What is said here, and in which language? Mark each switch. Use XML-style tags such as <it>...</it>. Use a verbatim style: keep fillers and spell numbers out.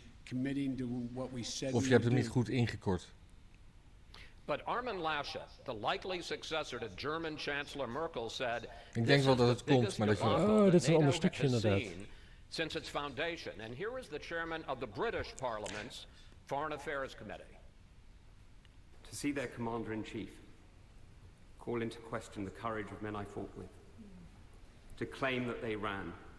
<nl>Of je hebt hem niet goed ingekort.</nl> <en>But Armin Laschet, the likely successor to German Chancellor Merkel, said.</en> <nl>Ik denk wel dat het komt, maar dat je. Oh, dit is een ander stukje inderdaad.</nl> <en>Since its foundation, and here is the chairman of the British Parliament's Foreign Affairs Committee. To see their commander-in-chief. Call into question the courage of men I fought with, to claim that they ran.</en>